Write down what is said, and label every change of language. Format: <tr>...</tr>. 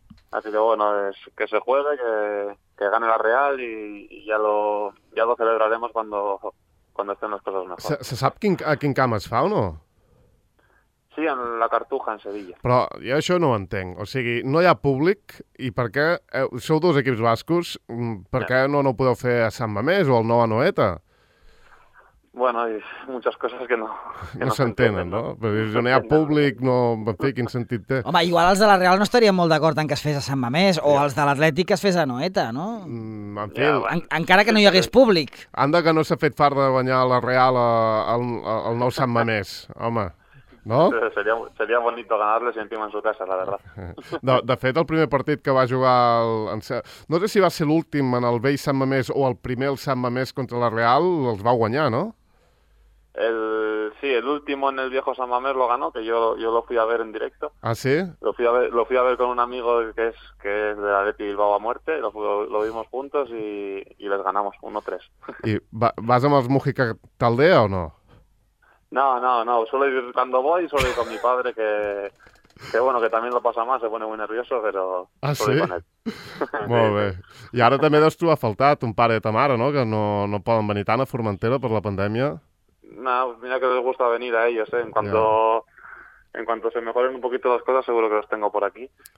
<es>Así que bueno, es que se juegue, que gane la Real y ya lo celebraremos cuando estén las cosas mejor.</es> <ca>¿Se sap a quin camp es fa o no?</ca> <es>Sí, en la Cartuja, en Sevilla.</es> <ca>Però jo això no ho entenc. O sigui, no hi ha públic i per què... Sou dos equips bascos, per què no ho podeu fer a Sant Mamés o al Nou Anoeta?</ca> <es>Bueno, hay muchas cosas que no</es> <ca>s'entenen, ¿no? Però si no hi ha públic, no... En fi, quin sentit té? Home, igual els de la Real no estarien molt d'acord en que es fes a Sant Mamés, o els de l'Atlètic que es fes a Noeta, no? En fi... Encara que no hi hagués públic. Anda que no s'ha fet fart de guanyar la Real al nou Sant Mamés, home. No?</ca> <es>Seria bonito ganar-les i encima en su casa, la verdad.</es> <ca>De fet, el primer partit que va jugar... No sé si va ser l'últim en el vell Sant Mamés o el primer el Sant Mamés contra la Real, els va guanyar, no?</ca> <es>Sí, el último en el viejo San Mamés lo ganó, que yo lo fui a ver en directo. ¿Ah, sí? Lo fui a ver con un amigo que es de Athletic Bilbao a muerte, lo vimos juntos y les ganamos 1-3.</es> <ca>¿Y vas amb els Mujica Talde o no?</ca> <es>No, solo ir cuando voy, solo ir con mi padre, que bueno, que también lo pasa mal, se pone muy nervioso, pero...</es> <ca>Ah, sí? Molt bé. I ara també deus trobar faltat un pare i ta mare, no? Que no poden venir tant a Formentera per la pandèmia.</ca> <es>No, mira que les gusta venir a ellos, ¿eh? En cuanto se mejoren un poquito las cosas, seguro que los tengo por aquí.</es>